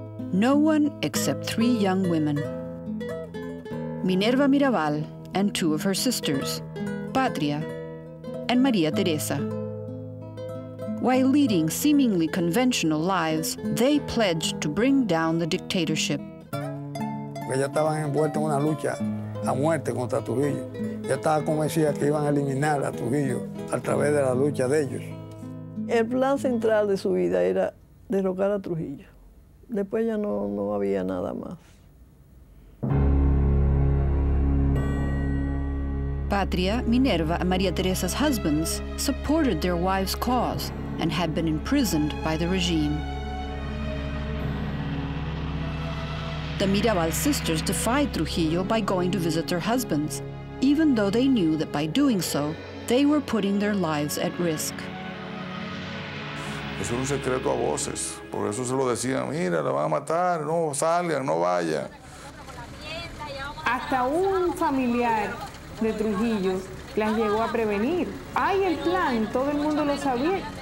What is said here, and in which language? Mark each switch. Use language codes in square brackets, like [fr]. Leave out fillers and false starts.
[en] No one except three young women, Minerva Mirabal and two of her sisters, Patria and Maria Teresa. While leading seemingly conventional lives, they pledged to bring down the dictatorship. [es] Ellas estaban envueltas en una lucha a muerte contra Trujillo. Ya estaba convencida que iban a eliminar a Trujillo a través de la lucha de ellos. El plan central de su vida era derrocar a Trujillo. Después ya no había nada más. [en] Patria, Minerva, and Maria Teresa's husbands supported their wives' cause and had been imprisoned by the regime. The Mirabal sisters defied Trujillo by going to visit their husbands, even though they knew that by doing so, they were putting their lives at risk. [es] Es un secreto a voces. Por eso se lo decían, mira, la van a matar, no salgan, no vayan. Hasta un familiar de Trujillo las llegó a prevenir. Hay el plan, todo el mundo lo sabía.